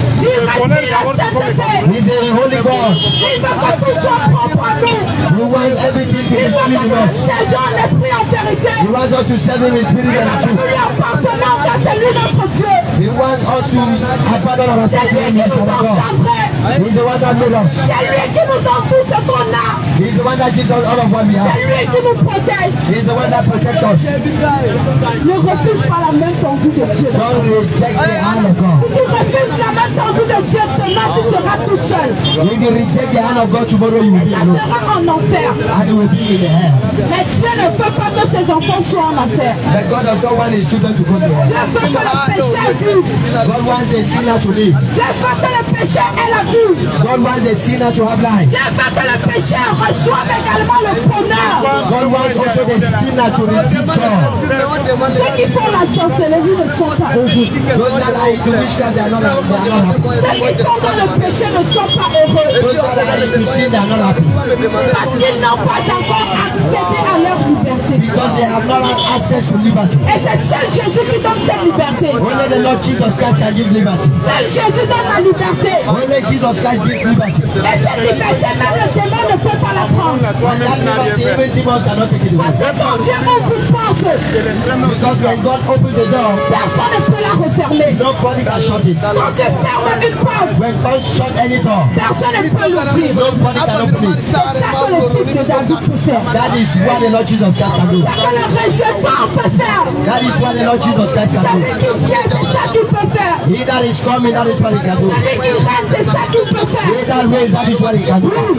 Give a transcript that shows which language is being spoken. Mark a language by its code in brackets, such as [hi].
[en] the one that gives us all of what we have. [fr] C'est lui qui nous protège. [en] He's the one that protects us. [fr] Ne refuse pas la main tendue de Dieu. [en] Don't reject the hand of God. [fr] Si tu refuses la main tendue de Dieu, demain tu seras tout seul. [en] If you reject the hand of God, tomorrow you will be alone. [fr] Ça sera en enfer. [en] And you will be in the hell. [fr] Mais Dieu ne veut pas que ses enfants soient en enfer. [en] But God does not want his children to go to hell. [fr] Dieu veut que le péché vive. [en] God wants the sinner to live. [fr] Dieu veut que le péché ait la vie. [en] God wants the sinner to have life. [fr] Dieu veut que le péché reçoive également le bonheur. [en] God wants also the sinner to receive joy. [fr] Ceux qui font la sorcellerie ne sont pas heureux. [en] Those that are into witchcraft, they are not happy. [fr] Ceux qui sont dans le péché ne sont pas heureux. [en] Those that are into sin, they are not happy. [fr] Parce qu'ils n'ont pas encore accédé à leur liberté. [en] Because they have not had access to liberty. [fr] Et c'est seul Jésus qui donne cette liberté. [en] Only the Lord Jesus Christ can give liberty. [fr] Seul Jésus donne la liberté. [en] Only Jesus Christ gives liberty. [fr] Et cette liberté, même le démon ne peut pas la prendre. Parce que quand Dieu ouvre une porte, [en] because when God opens the door, [fr] personne ne peut la refermer. [en] Nobody can shut it. [fr] Quand Dieu ferme une porte, [en] when God shut any door, [fr] personne ne peut l'ouvrir. [en] Nobody can open it. [fr] C'est ça que le Fils de David peut faire. [en] That is what the Lord Jesus Christ can do. [fr] C'est ça que le rejetant peut faire. [en] That is what the Lord Jesus Christ can do. [fr] C'est ça qu'il peut faire. [en] He that is coming, that is what he can do. [fr] C'est ça qu'il peut faire. [en] He that reigns, that is what he can do.